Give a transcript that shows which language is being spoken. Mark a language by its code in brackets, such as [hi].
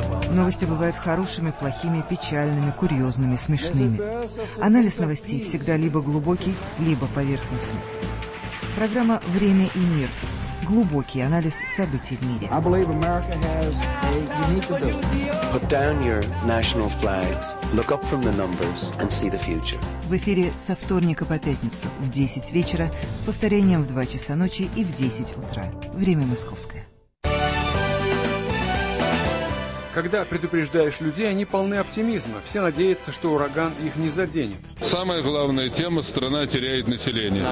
[ru] Новости бывают хорошими, плохими, печальными, курьезными, смешными. Анализ новостей всегда либо глубокий, либо поверхностный. Программа «Время и мир». Глубокий анализ событий в мире. [en] Put down your national flags, look up from the numbers and see the future. [ru] В эфире со вторника по пятницу в 10 вечера с повторением в 2 часа ночи и в 10 утра. Время московское. Когда предупреждаешь людей, они полны оптимизма. Все надеются, что ураган их не заденет. Самая главная тема – страна теряет население.